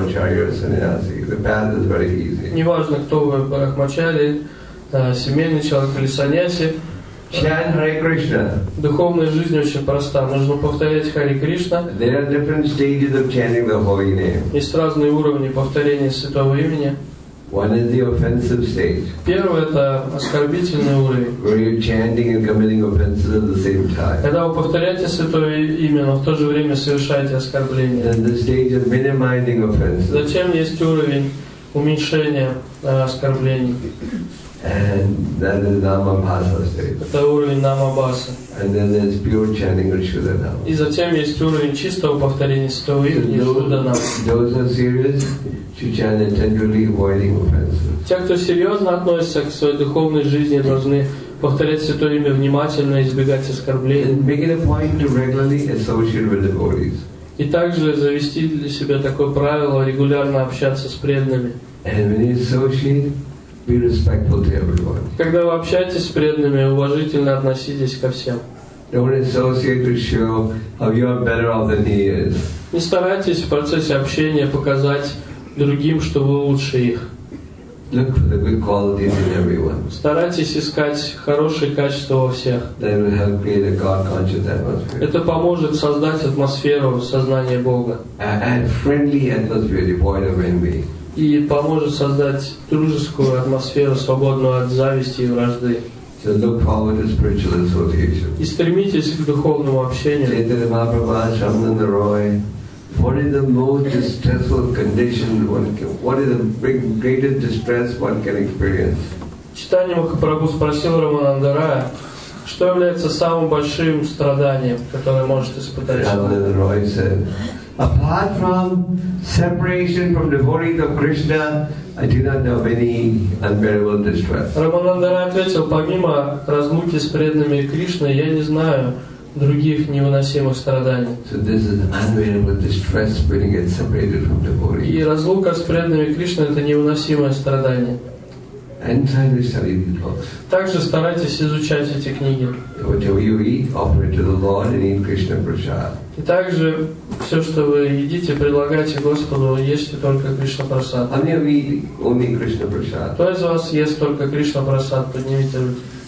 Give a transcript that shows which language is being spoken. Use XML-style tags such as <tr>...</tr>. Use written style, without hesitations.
<ru>Не важно, кто вы, брахмачари, семейный человек или саньяси.</ru> <en>Chant Hare Krishna.</en> <ru>Духовная жизнь очень проста. Нужно повторять Хари Кришна.</ru> <en>There are different stages of chanting the holy name.</en> <ru>Есть разные уровни повторения святого имени.</ru> <en>One is the offensive stage.</en> <ru>Первый — это оскорбительный уровень.</ru> <en>Where you're chanting and committing offenses at the same time.</en> <ru>Когда вы повторяете святое имя, но в то же время совершаете оскорбление.</ru> <en>Then the stage of minimizing offenses.</en> <ru>Затем есть уровень уменьшения оскорблений.</ru> <en>And that is Namabhasa state.</en> <ru>Это уровень Намабаса.</ru> <en>And then there is pure chanting of Шуданама.</en> <ru>И затем есть уровень чистого повторения святого имени Шуданама.</ru> <en>Those are serious to chant intentionally, avoiding offenses.</en> <ru>Те, кто серьезно относится к своей духовной жизни, должны повторять святое имя внимательно, избегать оскорблений.</ru> <en>And make it a point to regularly associate with devotees.</en> <ru>И также завести для себя такое правило регулярно общаться с преданными.</ru> <en>And when you associate, be respectful to everyone.</en> <ru>Когда вы общаетесь с преданными, уважительно относитесь ко всем.</ru> <en>Don't associate to show how you are better off than he is.</en> <ru>Не старайтесь в процессе общения показать другим, что вы лучше их.</ru> <en>Look for the good qualities in everyone.</en> <ru>Старайтесь искать хорошие качества во всех.</ru> <en>That will help create a God-conscious atmosphere.</en> <ru>Это поможет создать атмосферу сознания Бога.</ru> <en>And friendly atmosphere, devoid of envy.</en> <ru>И поможет создать дружескую атмосферу, свободную от зависти и вражды.</ru> <en>So look forward to spiritual association.</en> <ru>И стремитесь к духовному общению.</ru> <en>Chaitanya Mahaprabhu, Shamananda Roy. What is the most distressful condition one can, what is the greatest distress one can experience?</en> <ru>Чайтанья Махапрабху спросил Рамананда Роя, что является самым большим страданием, которое может испытать.</ru> <en>Shamananda Roy said, apart from separation from devotees of Krishna, I do not know of any unbearable distress.</en> <ru>Рамананда Рай ответил, помимо разлуки с преданными Кришны, я не знаю других невыносимых страданий.</ru> <en>So this is unbearable distress when you get separated from devotees.</en> <ru>И разлука с преданными Кришны — это невыносимое страдание.</ru> <en>And try to study these books.</en> <ru>Также старайтесь изучать эти книги.</ru> <en>Whatever you eat, offer it to the Lord and eat Krishna prasad.</en> <ru>И также все, что вы едите, предлагайте Господу, ешьте только Кришна прасад.</ru> <en>How many of you eat only Krishna prasad?</en> <ru>Кто из вас ест только Кришна прасад? Поднимите руки.</ru>